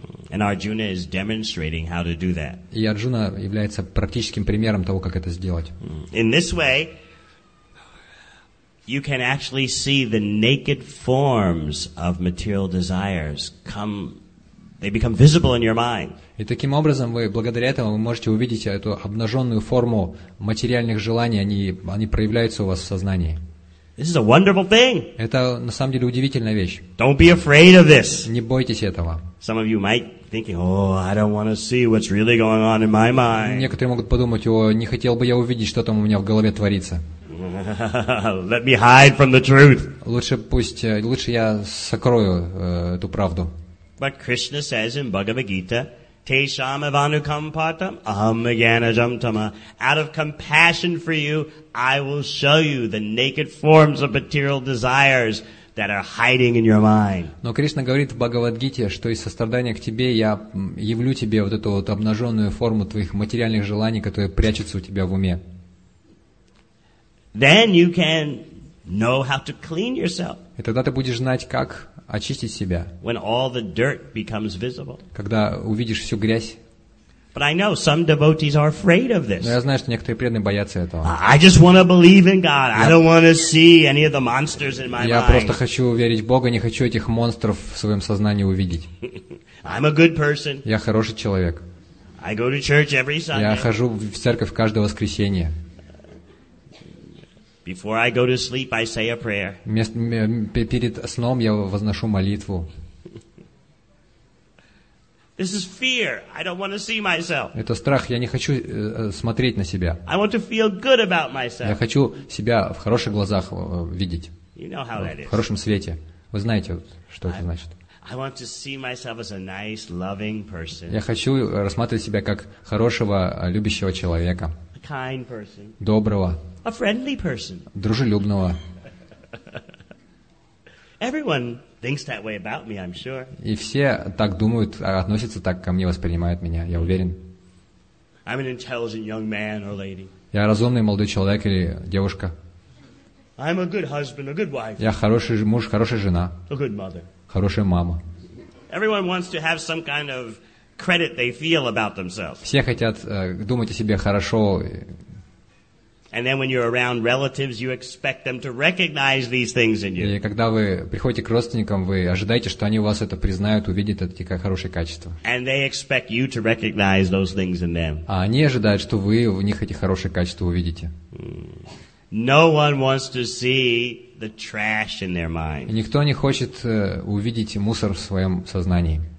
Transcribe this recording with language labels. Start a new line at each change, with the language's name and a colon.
English: And Arjuna is demonstrating how to do that.
Russian: И Арджуна является практическим примером того, как это сделать.
English: In this way, you can actually see the naked forms of material desires come. They become visible in your mind.
Russian: И таким образом вы, благодаря этому, вы можете увидеть эту обнаженную форму материальных желаний. Они проявляются у вас в сознании.
English: This is a wonderful thing.
Russian: Это на самом деле удивительная вещь.
English: Don't be afraid of this.
Russian: Не бойтесь этого.
English: Some of you might thinking, "Oh, I don't want to see what's really going on in my mind."
Russian: Некоторые могут подумать: "О, не хотел бы я увидеть, что там у меня в голове творится."
English: Let me hide from the truth.
Russian: Лучше я сокрою эту правду.
English: But Krishna says in Bhagavad Gita,
Sanskrit: "Tesham evanukam patam aham ajnanam tama."
English: Out of compassion for you, I will show you the naked forms of material desires that are hiding in your mind.
Russian: Но Кришна говорит в Бхагавадгите, что из сострадания к тебе я явлю тебе вот эту вот обнаженную форму твоих материальных желаний, которые прячутся у тебя в уме.
English: Then you can know how to clean yourself.
Russian: И тогда ты будешь знать, как очистить себя.
English: When all the dirt becomes visible.
Russian: Когда увидишь всю грязь.
English: But I know some devotees are afraid of this.
Russian: Но я знаю, что некоторые преданные боятся этого.
English: I just want to believe in God. I don't want to see any of the monsters in my mind.
Russian: Я просто хочу верить в Бога, не хочу этих монстров в своем сознании увидеть.
English: I'm a good person.
Russian: Я хороший человек.
English: I go to church every Sunday.
Russian: Я хожу в церковь каждое воскресенье.
English: Before I go to sleep, I say a prayer.
Russian: Перед сном я возношу молитву.
English: This is fear. I don't want to see myself.
Russian: Это страх. Я не хочу смотреть на себя.
English: I want to feel good about myself.
Russian: Я хочу себя в хороших глазах видеть.
English: You know how that is.
Russian: В хорошем свете. Вы знаете, что это значит?
English: I want to see myself as a nice, loving person.
Russian: Я хочу рассматривать себя как хорошего, любящего человека.
English: A kind person.
Russian: Доброго.
English: A friendly person.
Russian: Дружелюбного.
English: Everyone thinks that way about me, I'm sure.
Russian: И все так думают, относятся так ко мне, воспринимают меня, я уверен.
English: I'm an intelligent young man or lady.
Russian: Я разумный молодой человек или девушка.
English: I'm a good husband, a good wife.
Russian: Я хороший муж, хорошая жена.
English: A good mother.
Russian: Хорошая мама.
English: Everyone wants to have some kind of credit they feel about themselves.
Russian: Все хотят думать о себе хорошо.
English: And then when you're around relatives, you expect them to recognize these things in you.
Russian: И когда вы приходите к родственникам, вы ожидаете, что они у вас это признают, увидят эти хорошие качества.
English: And they expect you to recognize those things in them.
Russian: А они ожидают, что вы в них эти хорошие качества увидите.
English: No one wants to see the trash in their mind.
Russian: И никто не хочет увидеть мусор в своем сознании.